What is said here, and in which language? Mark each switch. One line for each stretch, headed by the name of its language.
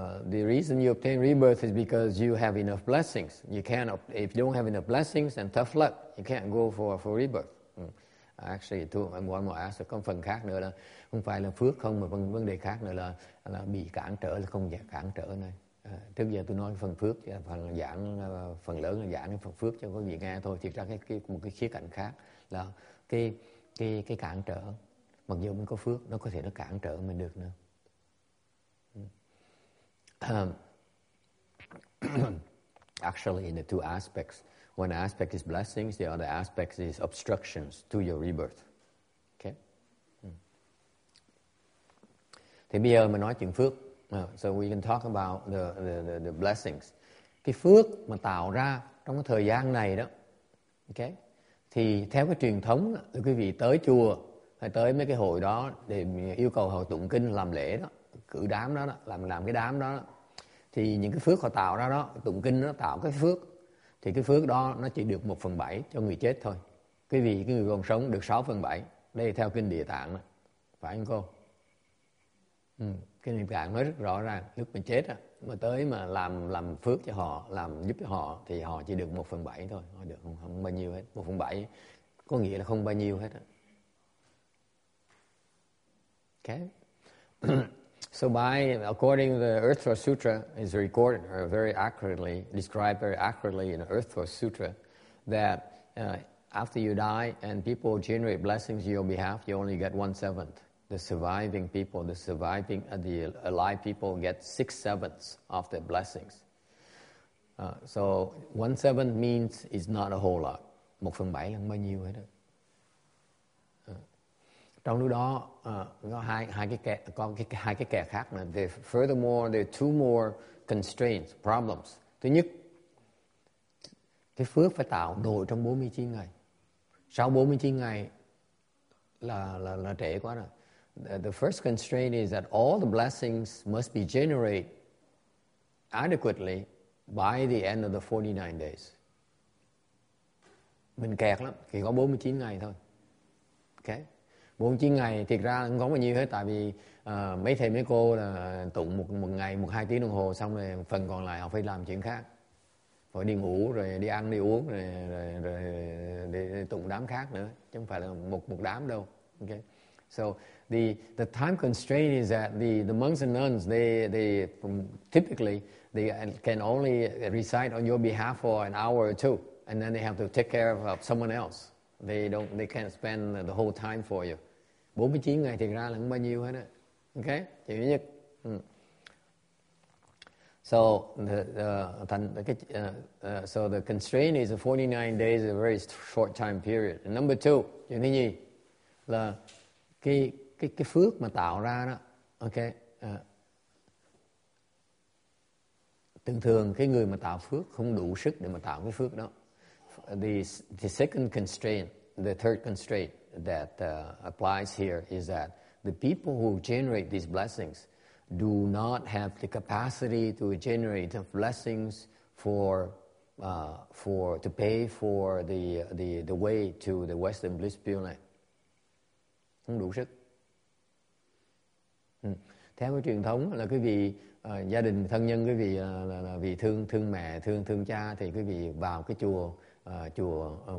English: The reason you obtain rebirth is because you have enough blessings. If you don't have enough blessings and tough luck, you can't go for rebirth. Actually, I'm one more answer.
Vietnamese: Có phần khác nữa là không phải là phước không, mà vấn đề khác nữa là bị cản trở, là không cản trở này. Trước giờ tôi nói phần phước, phần giảng, phần lớn là giảng phần phước cho quý vị nghe thôi. Thực ra một cái khía cạnh khác là cái cản trở. Mặc dù mình có phước, nó có thể nó cản trở mình được nữa.
English: Actually, in the two aspects, One aspect is blessings, the other aspect is obstructions to your rebirth. Okay?
Vietnamese: Thì bây giờ mình nói chuyện phước.
English: So we can talk about the blessings.
Vietnamese: Cái phước mà tạo ra trong cái thời gian này đó. Okay? Thì theo cái truyền thống đó, quý vị tới chùa hay tới mấy cái hội đó để yêu cầu họ tụng kinh làm lễ đó, cử đám đó, đó làm cái đám đó, đó. Thì những cái phước họ tạo ra đó, tụng kinh nó tạo cái phước. Thì cái phước đó nó chỉ được 1/7 cho người chết thôi. Quý vị, cái người còn sống được 6/7. Đây theo kinh Địa Tạng đó. Phải không cô? Kinh Địa Tạng nói rất rõ ràng. Lúc mình chết đó, mà tới mà làm phước cho họ, làm giúp cho họ, thì họ chỉ được 1/7 thôi. Họ được không bao nhiêu hết. 1/7 có nghĩa là không bao nhiêu hết.
English: Okay. So by according to the Earthwa Sutra is recorded or very accurately described very accurately in Earthwa Sutra that after you die and people generate blessings on your behalf, you only get 1/7. The alive people get 6/7 of their blessings. So 1/7 means it's not a whole lot.
Vietnamese: 1/7 là bao nhiêu hết. Trong lúc đó có hai cái kẻ khác nữa.
English: Furthermore, there are two more constraints, problems.
Vietnamese: Thứ nhất, cái phước phải tạo đồ trong 49 ngày. Sau 49 ngày là trễ quá rồi.
English: The first constraint is that all the blessings must be generated adequately by the end of the 49 days.
Vietnamese: Mình kẹt lắm, chỉ có 49 ngày thôi. Okay? 49 ngày thiệt ra không có bao nhiêu hết, tại vì mấy thầy mấy cô là tụng một ngày 1-2 tiếng đồng hồ xong rồi phần còn lại họ phải làm chuyện khác, phải đi ngủ rồi đi ăn đi uống rồi tụng đám khác nữa, chứ không phải là một đám đâu.
English: Okay. So the time constraint is that the monks and nuns they typically can only recite on your behalf for an hour or two, and then they have to take care of someone else. They can't spend the whole time for you.
Vietnamese: 49 ngày thiệt ra là không bao nhiêu hết á. Okay? Chỉ thứ nhất.
English: So the constraint is 49 days, a very short time period. And number two,
Vietnamese: chuyện thứ nhì là cái phước mà tạo ra đó. Okay. Thường thường cái người mà tạo phước không đủ sức để mà tạo cái phước đó.
English: The second constraint, the third constraint that applies here is that the people who generate these blessings do not have the capacity to generate blessings to pay for the way to the Western Bliss Pure Land.
Vietnamese: Không đủ sức. Theo cái truyền thống là quý vị gia đình thân nhân quý vị là vì thương mẹ thương cha thì quý vị vào cái chùa.